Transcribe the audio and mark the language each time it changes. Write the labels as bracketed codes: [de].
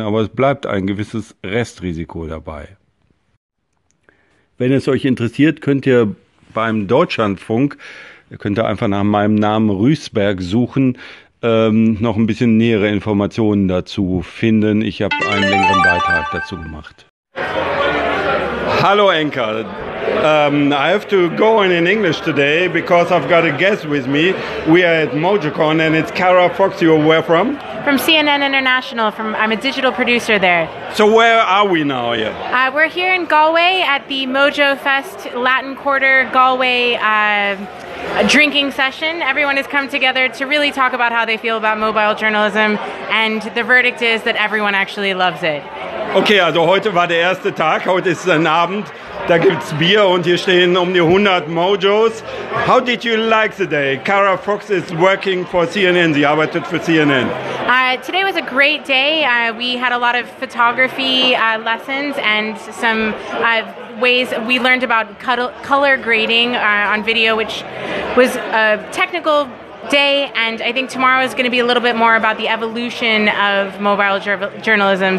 [de] Aber es bleibt ein gewisses Restrisiko dabei. Wenn es euch interessiert, könnt ihr beim Deutschlandfunk, ihr könnt einfach nach meinem Namen Rüßberg suchen, noch ein bisschen nähere Informationen dazu finden. Ich habe einen längeren Beitrag dazu gemacht. Hallo Anchor. [en] I have to go in English today because I've got a guest with me. We are at MojoCon and it's Kara Fox. You are where from? From CNN International. I'm a digital producer there. So where are we now here? We're here in Galway at the Mojo Fest Latin Quarter Galway a drinking session. Everyone has come together to really talk about how they feel about mobile journalism, and the verdict is that everyone actually loves it. [de] Okay, also heute war der erste Tag, heute ist ein Abend. Da gibt's Bier und hier stehen um die 100 Mojos. [en] How did you like the day? Kara Fox is working for CNN. [de] Sie arbeitet für CNN. [en] Today was a great day. We had a lot of photography lessons and some ways we learned about color grading on video, which was a technical day, and I think tomorrow is going to be a little bit more about the evolution of mobile journalism.